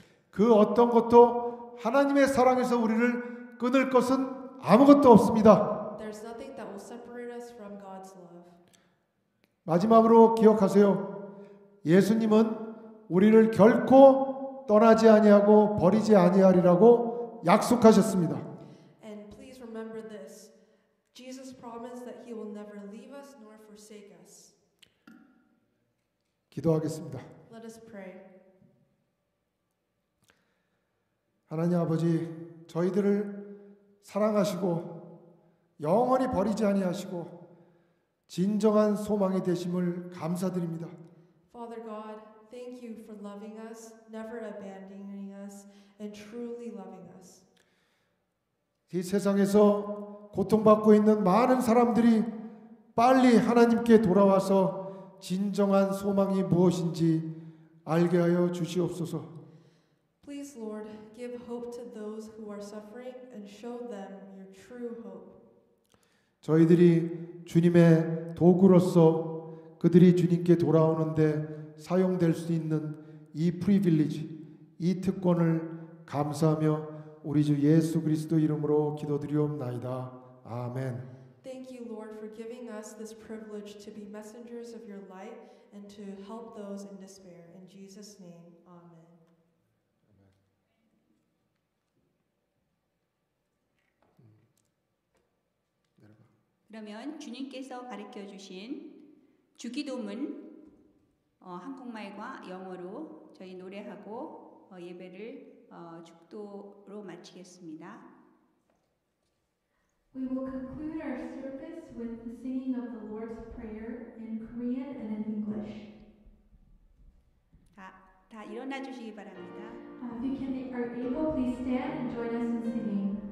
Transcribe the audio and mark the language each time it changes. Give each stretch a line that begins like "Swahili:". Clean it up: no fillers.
Korean: 그 어떤 것도 하나님의 사랑에서 우리를 끊을 것은 아무것도 없습니다.
English: There's nothing that will separate us from God's love.
Korean: 마지막으로 기억하세요. 예수님은 우리를 결코 떠나지 아니하고 버리지 아니하리라고 약속하셨습니다.
English: And please remember this. Jesus promised that he will never leave us nor forsake us.
Korean: 기도하겠습니다.
English: Let us pray.
Korean: 하나님 아버지, 저희들을 사랑하시고 영원히 버리지 아니하시고 진정한 소망이 되심을 감사드립니다.
English: Father God, thank you for loving us, never abandoning us, and truly loving us.
Korean: 이 세상에서 고통받고 있는 많은 사람들이 빨리 하나님께 돌아와서 진정한 소망이 무엇인지 알게 하여 주시옵소서.
English: Please, Lord, give hope to those who are suffering and show them your true hope.
Korean: 저희들이 주님의 도구로서 그들이 주님께 돌아오는데 사용될 수 있는 이 프리빌리지, 이 특권을 감사하며 우리 주 예수 그리스도 이름으로 기도드리옵나이다. 아멘.
English: Thank you, Lord, for giving us this privilege to be messengers of your light and to help those in despair. In Jesus' name, amen. Amen.
Korean: 그러면 주님께서 가르쳐 주신 주기도문 한국말과 영어로 저희 노래하고 예배를 축도로 마치겠습니다.
English: We will conclude our service with the singing of the Lord's Prayer in Korean and in English.
Korean: 다 일어나 주시기 바랍니다.
English: If you can, are able, please stand and join us in singing.